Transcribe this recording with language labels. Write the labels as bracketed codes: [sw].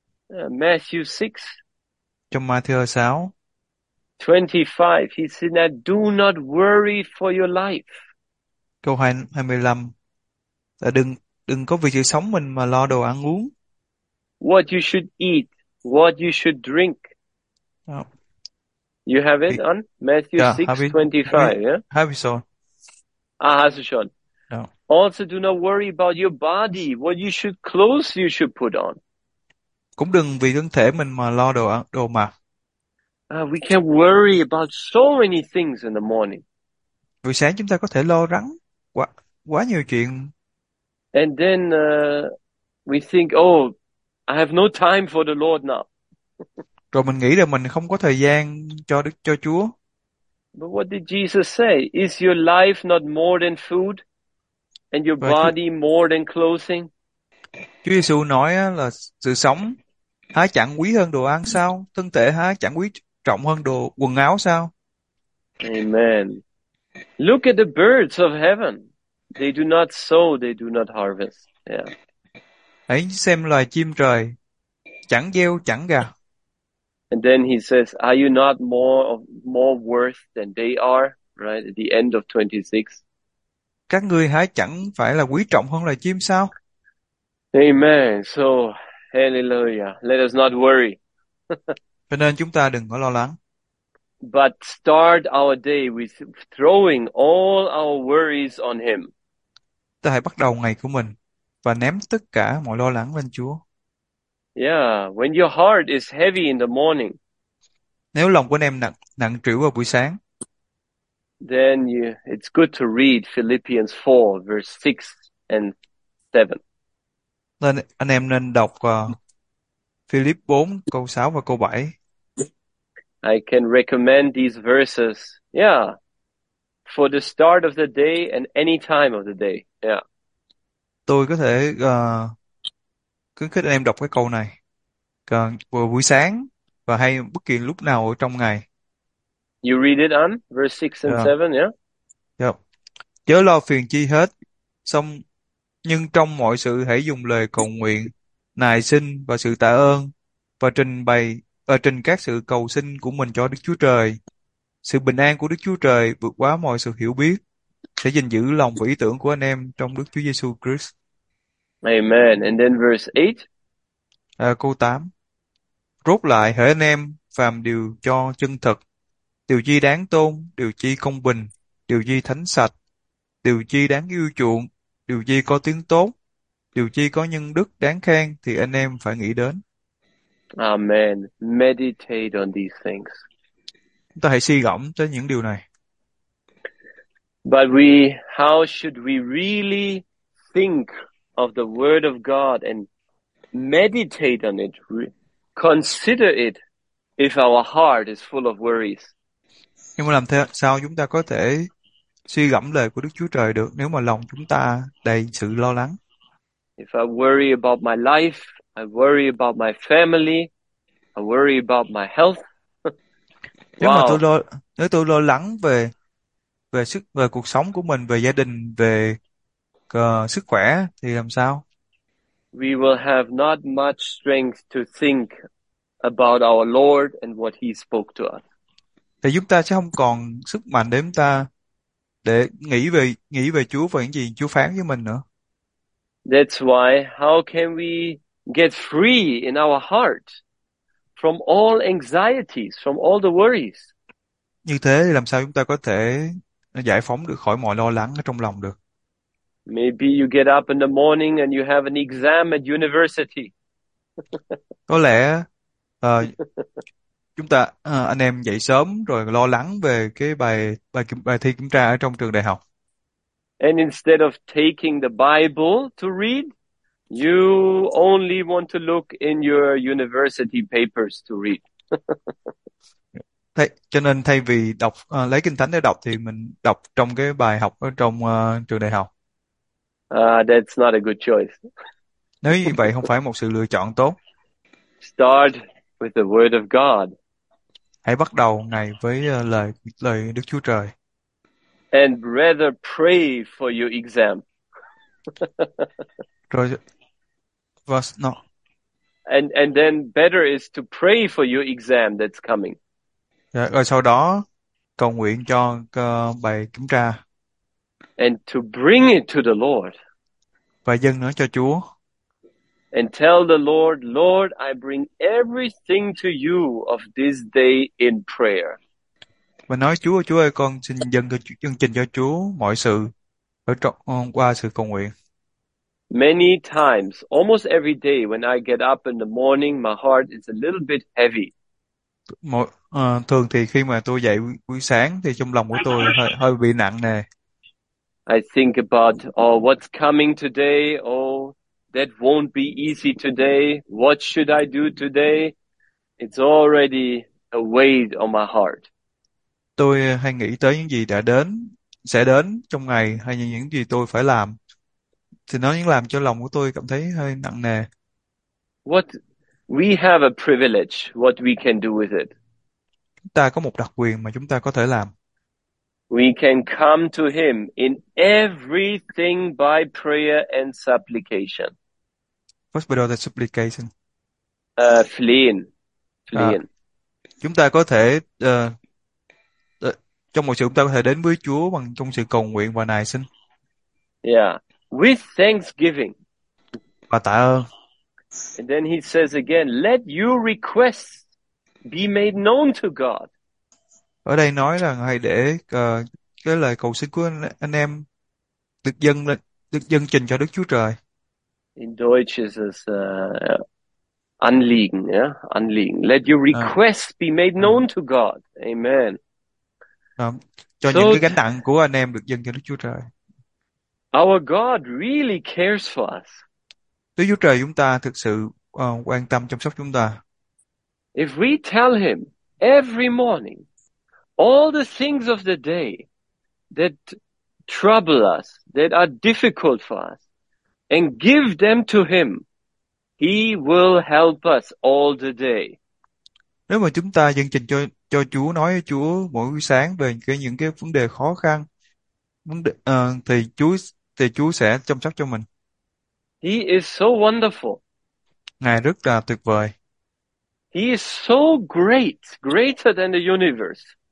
[en] Matthew 6, [vi] Trong Ma-thi-ơ 6, [en] 25, he said that do not worry for your life. [vi] câu 25 là đừng đừng có vì sự sống mình mà lo đồ ăn uống. [en] What you should eat, what you should drink. Oh. You have it on Matthew Yeah, 6, 25, yeah? have you saw? Hasushon. Also, do not worry about your body, what you should clothes you should put on. [vi] Cũng đừng vì thân thể mình mà lo đồ đồ mặc. [en] We can worry about so many things in the morning. [vi] Buổi sáng chúng ta có thể lo lắng quá quá nhiều chuyện. [en] And then we think, oh, I have no time for the Lord now. [vi] Rồi mình nghĩ là mình không có thời gian cho Đức cho Chúa. [en] But what did Jesus say? Is your life not more than food? And your [vi] Và Chúa [en] body more than clothing? [vi] Giêsu nói là sự sống há chẳng quý hơn đồ ăn sao? Thân thể há chẳng quý trọng hơn đồ quần áo sao? [en] Amen. Look at the birds of heaven. They do not sow, they do not harvest. Yeah. [vi] Hãy xem loài chim trời chẳng gieo chẳng gặt. [en] And then he says, are you not more worth than they are? Right at the end of 26. [vi] Các ngươi há chẳng phải là quý trọng hơn là chim sao? [en] Amen. So, hallelujah. Let us not worry. [vi] Cho nên chúng ta đừng có lo lắng. [en] But start our day with throwing all our worries on him. [vi] Ta hãy bắt đầu ngày của mình và ném tất cả mọi lo lắng lên Chúa. [en] Yeah, when your heart is heavy in the morning, [vi] Nếu lòng của anh em nặng nặng trĩu vào buổi sáng, [en] then it's good to read Philippians 4, verse 6 and 7. [vi] nên anh em nên đọc Philip 4 câu 6 và câu 7. [en] I can recommend these verses, yeah, for the start of the day and any time of the day, yeah. [vi] Tôi có thể khuyến khích anh em đọc cái câu này vừa buổi sáng và hay bất kỳ lúc nào ở trong ngày. [en] You read it on verse 6 and 7, yeah? [vi] Chớ lo phiền chi hết, xong nhưng trong mọi sự hãy dùng lời cầu nguyện, nài xin và sự tạ ơn và trình bày ở trình các sự cầu xin của mình cho Đức Chúa Trời. Sự bình an của Đức Chúa Trời vượt quá mọi sự hiểu biết sẽ gìn giữ lòng và ý tưởng của anh em trong Đức Chúa Giêsu Christ. [en] Amen. And then verse 8. [vi] Câu 8. Rốt lại hỡi anh em, phàm điều cho chân thật, điều chi đáng tôn, điều chi công bình, điều chi thánh sạch, điều chi đáng yêu chuộng, điều chi có tiếng tốt, điều chi có nhân đức đáng khen thì anh em phải nghĩ đến. [en] Amen. Meditate on these things. [vi] Ta hãy suy gẫm tới những điều này. [en] But we, how should we really think of the word of God and meditate on it, consider it if our heart is full of worries? [vi] Nhưng mà làm thế sao chúng ta có thể suy gẫm lời của Đức Chúa Trời được nếu mà lòng chúng ta đầy sự lo lắng? [en] If I worry about my life, I worry about my family, I worry about my health. [vi] Nếu mà [en] Wow. [vi] tôi lo lắng về về sức về cuộc sống của mình, về gia đình, về sức khỏe thì làm sao? [en] We will have not much strength to think about our Lord and what he spoke to us. [vi] Thì chúng ta sẽ không còn sức mạnh để chúng ta để nghĩ về Chúa và những gì Chúa phán với mình nữa. [en] That's why, how can we get free in our heart from all anxieties, from all the worries? [vi] Như thế làm sao chúng ta có thể giải phóng được khỏi mọi lo lắng ở trong lòng được? [en] Maybe you get up in the morning and you have an exam at university. [vi] Có lẽ chúng ta anh em dậy sớm rồi lo lắng về cái bài thi kiểm tra ở trong trường đại học. [en] And instead of taking the Bible to read, you only want to look in your university papers to read. [vi] Cho nên thay vì đọc lấy kinh thánh để đọc thì mình đọc trong cái bài học ở trong trường đại học. [en] That's not a good choice. [vi] Nếu như vậy không phải một sự lựa chọn tốt. [en] Start with the word of God. [vi] Hãy bắt đầu ngày với lời Đức Chúa Trời. [en] And rather pray for your exam. Rồi verse no. And then better is to pray for your exam that's coming. [vi] Rồi sau đó cầu nguyện cho bài kiểm tra. [en] And to bring it to the Lord. [vi] Và dâng nó cho Chúa. [en] And tell the Lord, Lord, I bring everything to you of this day in prayer. [vi] Và nói Chúa ơi, con xin dâng trình cho Chúa mọi sự ở trong qua sự cầu nguyện. [en] Many times, almost every day when I get up in the morning, my heart is a little bit heavy. [vi] Thường thì khi mà tôi dậy buổi sáng thì trong lòng của tôi hơi hơi bị nặng nề. [en] I think about, oh, what's coming today? Oh, that won't be easy today. What should I do today? It's already a weight on my heart. [vi] Tôi hay nghĩ tới những gì đã đến, sẽ đến trong ngày hay những gì tôi phải làm. Thì nó những làm cho lòng của tôi cảm thấy hơi nặng nề. [en] What we have a privilege, what we can do with it. [vi] Chúng ta có một đặc quyền mà chúng ta có thể làm. [en] We can come to him in everything by prayer and supplication. What's better than supplication? Fleeing. [vi] Chúng ta có thể trong mọi sự chúng ta có thể đến với Chúa bằng trong sự cầu nguyện và nài xin. [en] Yeah, with thanksgiving. [vi] Và tạ ơn. [en] And then he says again, let your requests be made known to God. [vi] Ở đây nói rằng hãy để cái lời cầu xin của anh em được dâng trình cho Đức Chúa Trời. [en] In Deutsch is anliegen, yeah? Anliegen. Let your requests be made known to God. Amen. [vi] Cho những cái gánh nặng của anh em được dâng cho Đức Chúa Trời. [en] Our God really cares for us. [vi] Đức Chúa Trời chúng ta thực sự quan tâm chăm sóc chúng ta. [en] If we tell him every morning all the things of the day that trouble us, that are difficult for us, and give them to him, he will help us all the day. [vi] Nếu mà chúng ta dâng trình cho Chúa, nói với Chúa mỗi buổi sáng về những cái vấn đề khó khăn, vấn đề thì Chúa sẽ chăm sóc cho mình. [en] He is so wonderful. [vi] Ngài rất là tuyệt vời. [en] He is so great, greater than the universe.